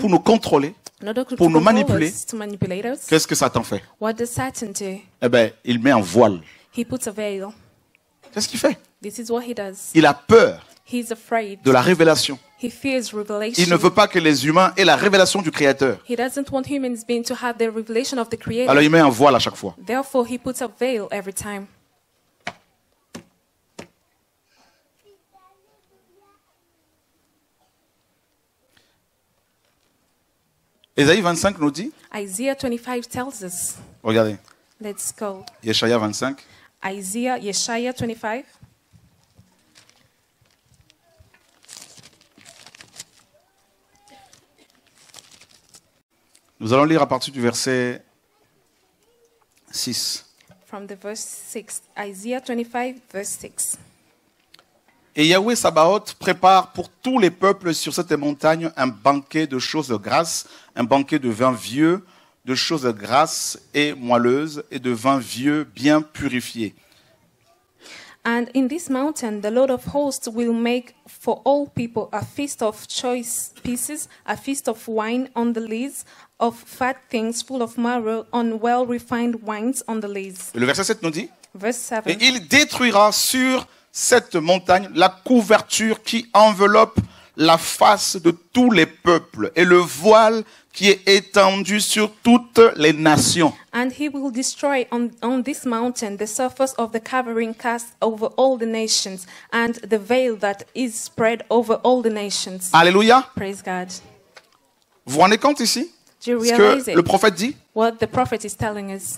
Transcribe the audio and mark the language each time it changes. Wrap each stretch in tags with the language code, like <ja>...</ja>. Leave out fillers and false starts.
<fr>pour nous contrôler, pour nous manipuler, qu'est-ce que Satan fait?</fr> <en>What does Satan do?</en> <fr>Eh bien, il met un voile.</fr> <en>He puts a veil.</en> <fr>Qu'est-ce qu'il fait?</fr> <en>This is what he does.</en> <fr>Il a peur.</fr> <en>He's afraid.</en> <fr>De la révélation.</fr> <en>He fears revelation.</en> <fr>Il ne veut pas que les humains aient la révélation du Créateur.</fr> <en>He doesn't want human beings to have the revelation of the Creator.</en> <fr>Alors, il met un voile à chaque fois.</fr> <en>Therefore, he puts a veil every time.</en> <fr>Ésaïe 25 nous dit.</fr> <en>Isaiah 25 tells us.</en> <fr>Regardez.</fr> <en>Let's go.</en> <fr>Yeshaya 25.</fr> <en>Isaiah, Yeshaya 25.</en> <fr>Nous allons lire à partir du verset 6.</fr> <en>From the verse 6. Isaiah 25, verse 6.</en> <fr>Et Yahweh Sabaoth prépare pour tous les peuples sur cette montagne un banquet de choses grasses, un banquet de vin vieux, de choses grasses et moelleuses, et de vin vieux bien purifié.</fr> <en>And in this mountain, the Lord of hosts will make for all people a feast of choice pieces, a feast of wine on the lees, of fat things full of marrow, on well-refined wines on the lees.</en> <fr>Le verset 7 nous dit.</fr> <en>Verse 7.</en> <fr>Et il détruira sur cette montagne, la couverture qui enveloppe la face de tous les peuples et le voile qui est étendu sur toutes les nations.</fr> <en>And he will destroy on this mountain the surface of the covering cast over all the nations and the veil that is spread over all the nations.</en> <fr>Alléluia.</fr> <en>Praise God.</en> <fr>Vous rendez compte ici?</fr> <en>Do you realize</en> <fr>ce que le prophète dit?</fr> <en>What the prophet is telling us.</en>